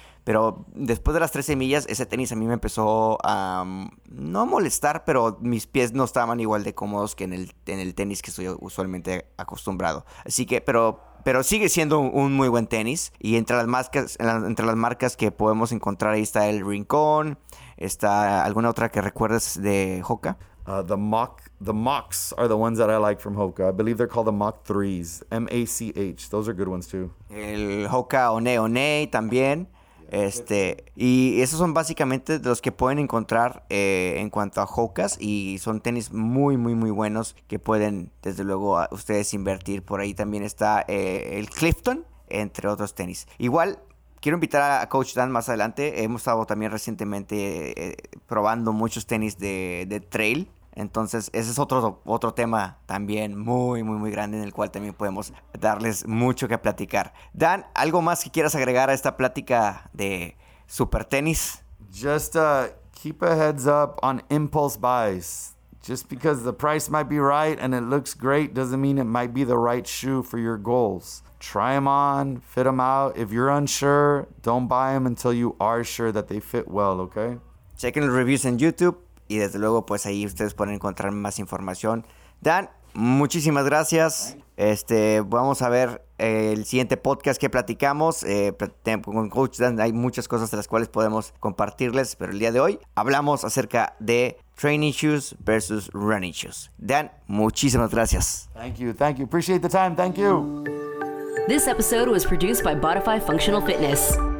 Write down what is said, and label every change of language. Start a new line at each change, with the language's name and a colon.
Spanish: Pero después de las 13 millas, ese tenis a mí me empezó a no a molestar, pero mis pies no estaban igual de cómodos que en el tenis que estoy usualmente acostumbrado. Así que, pero sigue siendo un muy buen tenis. Y entre las marcas que podemos encontrar, ahí está el Rincón, está alguna otra que recuerdes de Hoka.
English: The Mocs are the ones that I like from Hoka. I believe they're called the Mach 3s, M-A-C-H. Those are good ones too.
Spanish: El Hoka One One también. Y esos son básicamente los que pueden encontrar en cuanto a Hokas. Y son tenis muy, muy, muy buenos que pueden, desde luego, ustedes invertir. Por ahí también está el Clifton, entre otros tenis. Igual, quiero invitar a Coach Dan más adelante. Hemos estado también recientemente probando muchos tenis de trail. Entonces, ese es otro tema también muy, muy, muy grande en el cual también podemos darles mucho que platicar. Dan, ¿algo más que quieras agregar a esta plática de super tenis?
English: Just keep a heads up on impulse buys. Just because the price might be right and it looks great doesn't mean it might be the right shoe for your goals. Try them on, fit them out. If you're unsure, don't buy them until you are sure that they fit well, okay? Check in the reviews on YouTube.
Spanish: Y desde luego, pues ahí ustedes pueden encontrar más información. Dan, muchísimas gracias. Vamos a ver el siguiente podcast que platicamos. Con Coach Dan hay muchas cosas de las cuales podemos compartirles, pero el día de hoy hablamos acerca de
English: training shoes versus running shoes.
Spanish: Dan, muchísimas gracias.
English: Thank you. Appreciate the time. Thank you. This episode was produced by Bodify Functional Fitness.